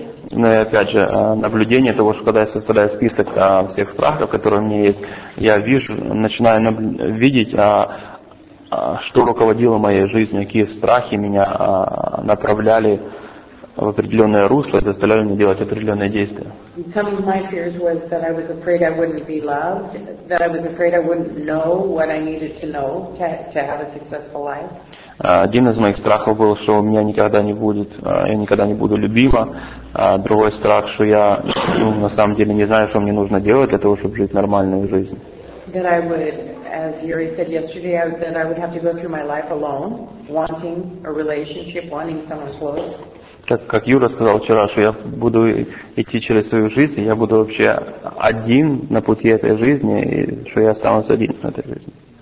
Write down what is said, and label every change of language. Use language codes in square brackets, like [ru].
[ru] Но и опять же, наблюдение того, что когда я составляю список всех страхов, которые у меня есть, я вижу, начинаю видеть, что руководило моей жизнью, какие страхи меня направляли в определенное русло и заставляли меня делать определенные действия. [en] Some of my fears was that I was afraid I wouldn't be loved, that I was afraid I wouldn't know what I needed to know to have a successful life. [ru] Один из моих страхов был, что у меня никогда не будет, я никогда не буду любима. Другой страх, что я на самом деле не знаю, что мне нужно делать для того, чтобы жить нормальную жизнь. [en] That I would, as Yuri said yesterday, that I would have to go through my life alone, wanting a relationship, wanting someone close. [ru] Как Юра сказал вчера, что я буду идти через свою жизнь, и я буду вообще один на пути этой жизни, и что я останусь один на этой жизни.